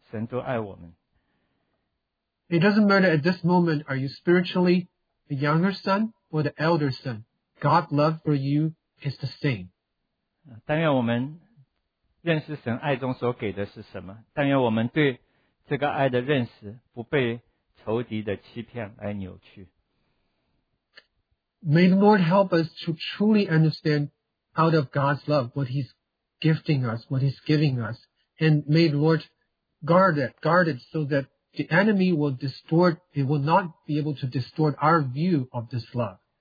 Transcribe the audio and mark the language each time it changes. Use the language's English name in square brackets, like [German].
[Chinese] 不管我们是小儿子还是大儿子，神都爱我们。 [English] It doesn't matter at this moment, are you spiritually the younger son or the elder son? God's love for you is the same. [Chinese] 但愿我们认识神爱中所给的是什么，但愿我们对这个爱的认识不被 [English] May the Lord help us to truly understand out of God's love what He's gifting us, what He's giving us, and may the Lord guard it so that the enemy will distort, it will not be able to distort our view of this love.